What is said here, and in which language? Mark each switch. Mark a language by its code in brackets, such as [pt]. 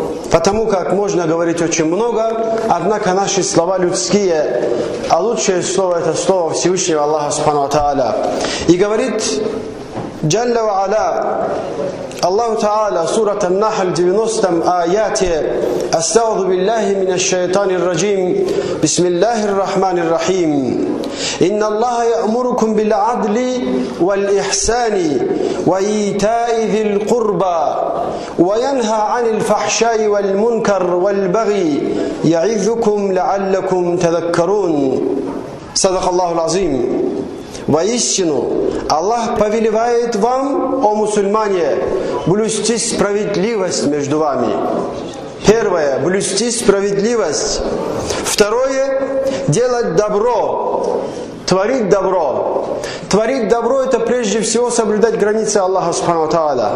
[ru] Потому как можно говорить очень много, однако наши слова людские, а лучшее слово это слово Всевышнего Аллаха Субхану ва Тааля. И говорит Джалла ва Аля, Аллаху Тааля, сурат Ан-Нахл 90 аяте, [ar] астаузу биллахи минаш шайтани ррджим, бисмиллахи ррахмани ррахим. إن الله يأمركم بالعدل والإحسان وإيتاء ذي القربى وينهى عن الفحشاء والمنكر والبغي يعظكم لعلكم تذكرون. صدق الله العظيم. [ru] Воистину, Аллах повелевает вам, о мусульмане, блюсти справедливость между вами. Первое, блюсти справедливость. Второе, делать добро. Творить добро. Творить добро – это прежде всего соблюдать границы Аллаха Субхану ва Тааля.